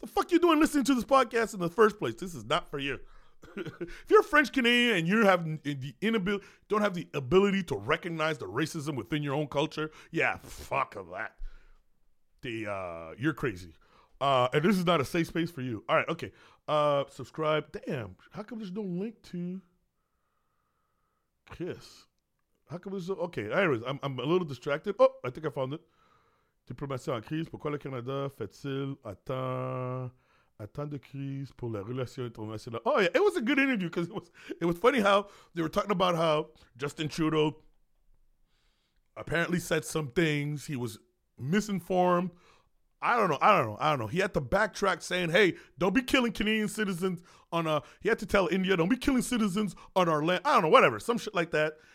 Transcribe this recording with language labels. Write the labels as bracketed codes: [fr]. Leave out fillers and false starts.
[en] The fuck you doing listening to this podcast in the first place? This is not for you. If you're French Canadian and you have the don't have the ability to recognize the racism within your own culture, yeah, fuck that. You're crazy. And this is not a safe space for you. All right, okay. Subscribe. Damn, how come there's no link to Kiss? How come there's no, okay, anyways, I'm a little distracted. Oh, I think I found it. [fr] Diplomatie en crise. Pourquoi le Canada fait-il attend de crise pour la relation internationale? [en] Oh, yeah, it was a good interview because it was funny how they were talking about how Justin Trudeau apparently said some things. He was misinformed. I don't know. He had to backtrack saying, hey, don't be killing Canadian citizens on a, he had to tell India, don't be killing citizens on our land. I don't know, whatever, some shit like that.